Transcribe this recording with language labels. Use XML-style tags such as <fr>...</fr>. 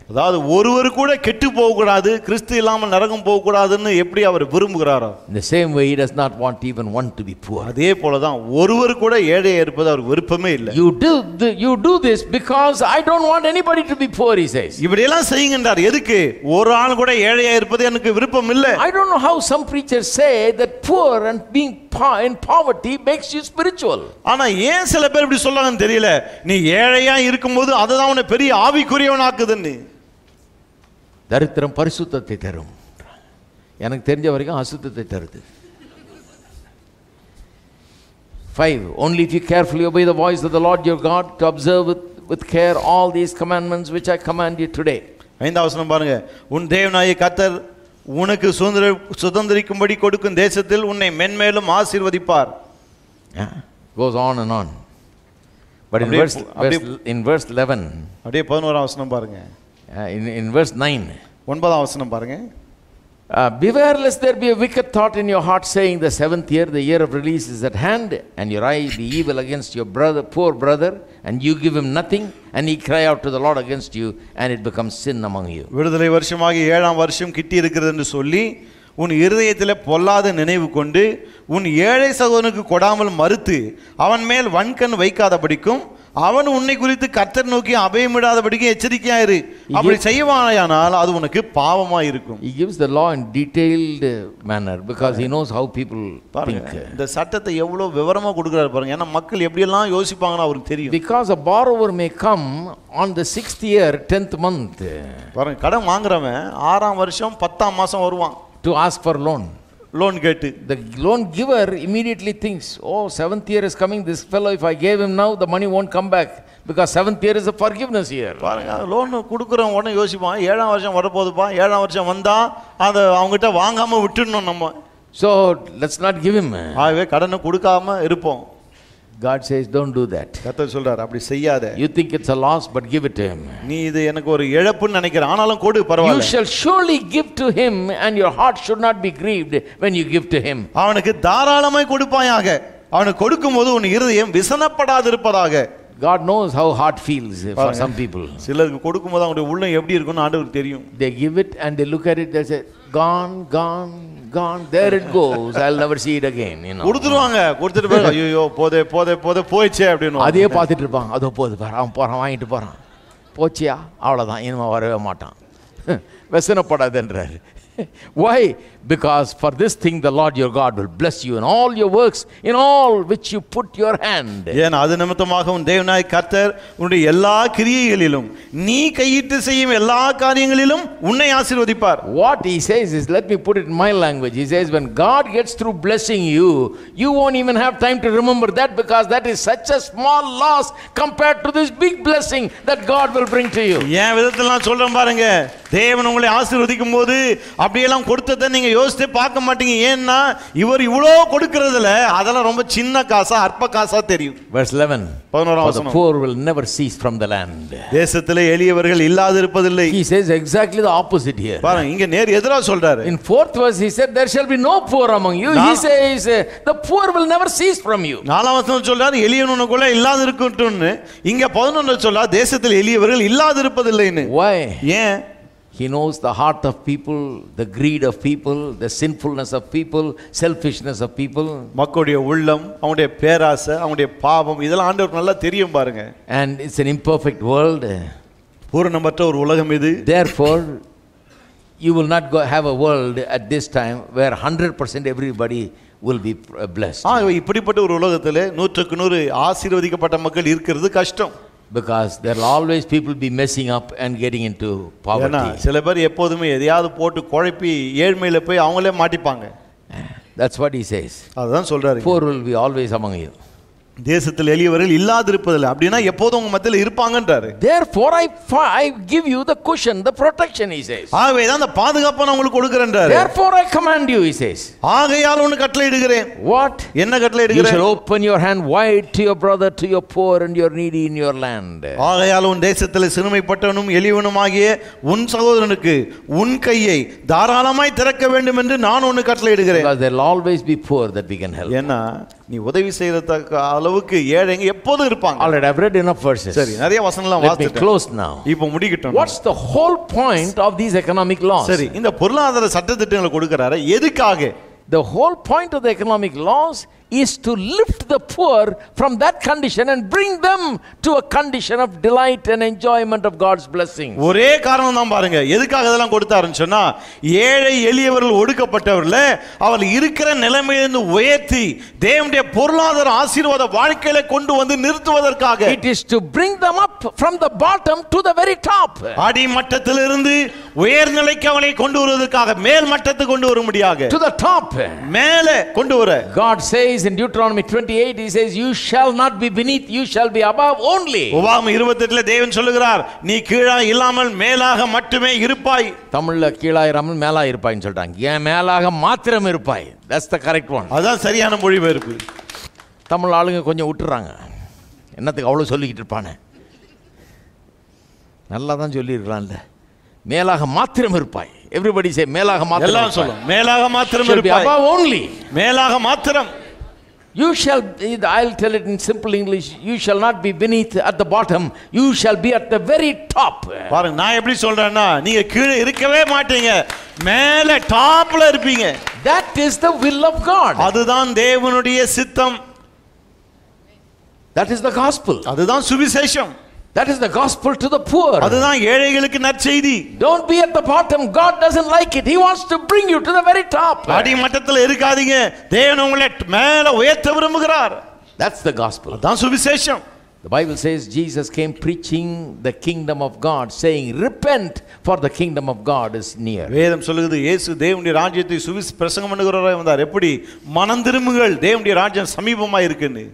<ta>அதாவது ஒருவர் கூட கெட்டு போக கூடாது, கிறிஸ்து இல்லாமல் நரகம் போக கூடாதுன்னு எப்படி அவர் விரும்புகிறாரோ.</ta> <en>The same way he does not want even one to be poor.</en> <ta>அதே போல தான் ஒருவர் கூட ஏழை இருப்பது அவர் விருப்பமே இல்லை.</ta> <en>You do this because I don't want anybody to be poor, he says.</en> <ta>இப்படி எல்லாம் செய்யுங்கன்றார். எதுக்கு? ஒரு ஆள் கூட ஏழையா இருப்பது எனக்கு விருப்பம் இல்லை.</ta> <en>I don't know how some preachers say that poor and being in poverty makes you spiritual.</en> <ta>ஆனா ஏன் சில பேர் இப்படி சொல்றாங்க தெரியல. நீ ஏழையா இருக்கும்போது அதுதான் உன்னை பெரிய ஆவிக்குரியவனாக்குதுன்னு. தரித்திரம் பரிசுத்தத்தை தரும். எனக்கு தெரிஞ்ச வரைக்கும் அசுத்தத்தை தருது.</ta> <en>5. Only if you carefully obey the voice of the Lord your God to observe with care all these commandments which I command you today.</en> <ta>5th பாருங்க. உன் தேவனாகிய கர்த்தர் உனக்கு சுதந்திரிக்கும்படி கொடுக்கும் தேசத்தில் உன்னை மென்மேலும் ஆசீர்வதிப்பார்.</ta> <en>Goes on and on. But in verse 11</en> <ta>அப்படியே 11வது வசனம் பாருங்க.</ta> <en>In verse 9</en> <ta>9வது வசனம் பாருங்க.</ta> <en>Beware lest there be a wicked thought in your heart saying the 7th year the year of release is at hand and your eye be evil against your brother poor brother and you give him nothing and he cry out to the Lord against you and it becomes sin among you.</en> <ta>விடுதலை வருஷமாகி 7ஆம் வருஷம் கிட்டி இருக்கிறது என்று சொல்லி உன் இருதயத்தில் பொல்லாத நினைவு கொண்டு உன் ஏழை சகோதரனுக்கு கொடாமல் மறுத்து அவன் மேல் வன்கண் வைக்காதபடிக்கும் அவன் உன்னை குறித்து கர்த்தர் நோக்கி அபயமிடாதபடிக்கும் எச்சரிக்கையாயிரு. அப்படி செய்வானால் அது உனக்கு பாவமாக இருக்கும்.</ta> <en>He gives the law in detailed manner because he knows how people think.</en> <ta>இந்த சட்டத்தை எவ்வளவு விவரமாக கொடுக்குறாரு பாருங்க. ஏன்னா மக்கள் எப்படியெல்லாம் யோசிப்பாங்கன்னு அவருக்கு தெரியும்.</ta> <en>Because a borrower may come on the 6th year, 10th month.</en> <ta>பாருங்க, கடன் வாங்குறவன் 6ஆம் வருஷம் 10ஆம் மாசம் வருவான்.</ta> <en>To ask for loan.</en> <ta>Loan கேட்டு.</ta> <en>The loan giver immediately thinks, oh, 7th year is coming. This fellow, if I gave him now, the money won't come back. Because 7th year is a forgiveness year.</en> <ta>Loan கொடுக்குறோம் உடனே யோசிப்பான், 7ஆம் வருஷம் வரப்போதுப்பா, 7ஆம் வருஷம் வந்தால் அதை அவங்ககிட்ட வாங்காமல் விட்டுடணும் நம்ம.</ta> <en>So let's not give him.</en> <ta>ஆகவே கடனை கொடுக்காம இருப்போம்.</ta> <en>God says don't do that.</en> <ta>கர்த்தர் சொல்றார் அப்படி செய்யாத.</ta> <en>You think it's a loss but give it to him.</en> <ta>நீ இது எனக்கு ஒரு இழப்பு நினைக்கிற ஆனாலும் கொடு பரவாயில்லை.</ta> <en>You shall surely give to him and your heart should not be grieved when you give to him.</en> <ta>அவனுக்கு தாராளமாய் கொடுப்பாயாக. அவனுக்கு கொடுக்கும்போது உன் இதயம் விசனப்படாதிருப்பதாக.</ta> <en>God knows how heart feels for some people.</en> <ta>சிலருக்கு கொடுக்கும்போது அவருடைய உள்ளம் எப்படி இருக்கும்னு ஆண்டவருக்கு தெரியும்.</ta> <en>They give it and they look at it, they say gone, there it goes, I'll never see it again, you know.</en> <ta>குடுத்துருவாங்க. குடுத்துட்டு போய் ஐயோ போதே போயிச்சே அப்படினு அதே பாத்துட்டு இருப்பாங்க. அதோ போது பாரு, அவன் போறான், வாங்கிட்டு போறான், போச்சியா, அவ்வளவுதான், இனிமே வரவே மாட்டான், வசனப்படாதுன்றாரு.</ta> <en>Why? Because for this thing the Lord your God will bless you in all your works in all which you put your hand.</en> <ta>ஏன் அது நிமித்தமாக உன் தேவனாய் கர்த்தர் உன்னுடைய எல்லா கிரியைகளிலும் நீ கையிட்டு செய்யும் எல்லா காரியங்களிலும் உன்னை ஆசீர்வதிப்பார்.</ta> <en>What he says is, let me put it in my language, he says when God gets through blessing you, you won't even have time to remember that because that is such a small loss compared to this big blessing that God will bring to you.</en> <ta>ஏன் விதத்தில் நான் சொல்றேன் பாருங்க, தேவன் உங்களை ஆசீர்வதிக்கும் போது அப்படியெல்லாம் கொடுத்ததை நீங்க யோசித்து பார்க்க மாட்டீங்க. ஏன்னா இவர் இவ்வளவு கொடுக்கறதுல அதெல்லாம் ரொம்ப சின்ன காசா அற்ப காசா தெரியும்.</ta> <en>Verse 11. He knows the heart of people, the greed of people, the sinfulness of people, selfishness of people.</en> <ta>மக்களுடைய உள்ளம், அவருடைய பேராசை, அவருடைய பாவம் இதெல்லாம் ஆண்டவர் நல்லா தெரியும் பாருங்க.</ta> <en>And it's an imperfect world.</en> <ta>பூரணமற்ற ஒரு உலகம் இது.</ta> <en>Therefore you will not go have a world at this time where 100% everybody will be blessed.</en> <ta>இப்படிப்பட்ட ஒரு உலகத்தில் 100க்கு 100 ஆசீர்வதிக்கப்பட்ட மக்கள் இருக்கிறது கஷ்டம்.</ta> <en>Because there will always people be messing up and getting into poverty.</en> <ta>செலபர் எப்போதுமே எதையாவது போட்டு குழப்பி ஏழ்மையில போய் அவங்களே மாட்டிப்பாங்க.</ta> <en>That's what he says.</en> <ta>அதான் சொல்றாரு.</ta> <en>Poor will be always among you.</en> <ta>தேசத்தில் எளியவர்கள் இல்லாதிருப்பதில்லை. அப்படினா எப்போதும் உங்க மத்தியில் இருப்பாங்கன்றாரு.</ta> <en>Therefore I give you the cushion, the protection, he says.</en> <ta>ஆகவே அந்த பாதுகாப்பை நான் உங்களுக்கு கொடுக்கறேன்றாரு.</ta> <en>Therefore I command you, he says.</en> <ta>ஆகையால் ஒன்னு கட்டளை இடுகிறேன்.</ta> <en>What?</en> <ta>என்ன கட்டளை இடுகிறேன்?</ta> <en>You shall open your hand wide to your brother, to your poor and your needy in your land.</en> <ta>ஆகையால் உன் தேசத்தில் சிறுமைப்பட்டவனும் எளியவனுமாகிய உன் சகோதரனுக்கு உன் கையை தாராளமாய் திறக்க வேண்டும் என்று நான் ஒன்னு கட்டளை இடுகிறேன்.</ta> <en>Because there will always be poor that we can help.</en> <ta>என்ன நீ உதவி செய்யறதுக்கு அளவுக்கு ஏழை எங்க எப்போதும் இருப்பாங்க.</ta> <en>Already I've read enough verses.</en> <ta>சரி நிறைய வசனங்களை வாசிட்டேன்.</ta> <en>Let me close now.</en> <ta>இப்போ முடிக்கட்டும்.</ta> <en>What's the whole point of these economic laws?</en> <ta>சரி இந்த பொருளாதார சட்ட திட்டங்களை கொடுக்கறாரு எதுக்காக?</ta> <en>The whole point of the economic laws is to lift the poor from that condition and bring them to a condition of delight and enjoyment of God's blessings.</en> <ta>ஒரே காரணம் தான் பாருங்க எதுக்காக இதெல்லாம் கொடுத்தாருன்னு சொன்னா ஏழை எளியவர்கள் ஒடுக்கப்பட்டவர்கள் அவர்கள் இருக்கிற நிலைமையிலிருந்து உயர்த்தி தேவனுடைய பொருளாதார ஆசீர்வாத வாழ்க்கையில கொண்டு வந்து நிறுத்துவதற்காக.</ta> <en>It is to bring them up from the bottom to the very top.</en> <ta>அடி மட்டத்திலிருந்து உயர்நிலைக்கு அவனை கொண்டு வருவதற்காக மேல் மட்டத்துக்கு கொண்டு வர முடியாது.</ta> <en>To the top.</en> <ta>மேலே கொண்டு வர.</ta> <en>God says in Deuteronomy 28 he says you shall not be beneath you shall be above only.</en> <ta>உபாகம் 28 ல தேவன் சொல்கிறார் நீ கீழாய் இல்லாமல் மேலாக மட்டுமே இருப்பாய். தமிழ்ல கீழாய் இராமல் மேலாய் இருப்பாய்ன்னு சொல்றாங்க. ஏன் மேலாக மட்டும் இருப்பாய்.</ta> <en>That's the correct one.</en> <ta>அதான் சரியான மொழிபெயர்ப்பு. தமிழ் ஆளுங்க கொஞ்சம் உட்றாங்க. என்னத்துக்கு அவ்வளவு சொல்லிக்கிட்டு இருப்பானே. நல்லா தான் சொல்லி இருக்கலாம்ல. மேலாக மட்டும் இருப்பாய்.</ta> <en>Everybody say</en> <ta>மேலாக மட்டும். எல்லாரும் சொல்லு மேலாக மட்டும் இருப்பாய்.</ta> <en>Above only.</en> <ta>மேலாக மட்டும்.</ta> <en>You shall be, I'll tell it in simple English, you shall not be beneath at the bottom, you shall be at the very top.</en> <ta>பாரு நான் எப்படி சொல்றேன்னா நீங்க கீழே இருக்கவே மாட்டீங்க மேலே டாப்ல இருப்பீங்க.</ta> <en>That is the will of God.</en> <ta>அதுதான் தேவனுடைய சித்தம்.</ta> <en>That is the gospel.</en> <ta>அதுதான் சுவிசேஷம்.</ta> <en>That is the gospel to the poor.</en> <ta>அதுதான் ஏழைகளுக்கு நற்செய்தி.</ta> <en>Don't be at the bottom. God doesn't like it. He wants to bring you to the very top.</en> <ta>அடி மட்டத்தில் இருக்காதீங்க. தேவன் உங்களை மேலே உயர்த்த விரும்புகிறார்.</ta> <en>That's the gospel.</en> <ta>அதான் சுவிசேஷம்.</ta> <en>The Bible says Jesus came preaching the kingdom of God saying repent for the kingdom of God is near.</en> <ta>வேதம் சொல்லுகிறது இயேசு தேவனுடைய ராஜ்யத்தை சுவிசேஷம் பிரசங்கம் பண்ணுகிறவராய் வந்தார். எப்படி? மனம் திரும்புங்கள் தேவனுடைய ராஜ்யம் சமீபமாய் இருக்குன்னு.</ta>